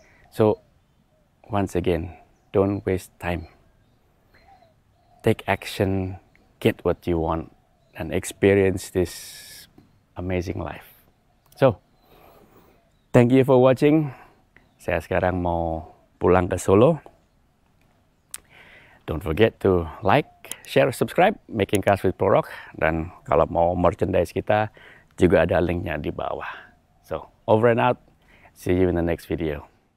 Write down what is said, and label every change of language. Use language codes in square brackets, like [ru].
[en] So, once again, don't waste time. Take action, get what you want, and experience this amazing life. So, thank you for watching. [id] Saya sekarang mau pulang ke Solo. [en] Don't forget to like, share, subscribe Making Cars with Prorok. [id] Dan kalau mau merchandise kita, juga ada linknya di bawah. [en] So, over and out. See you in the next video.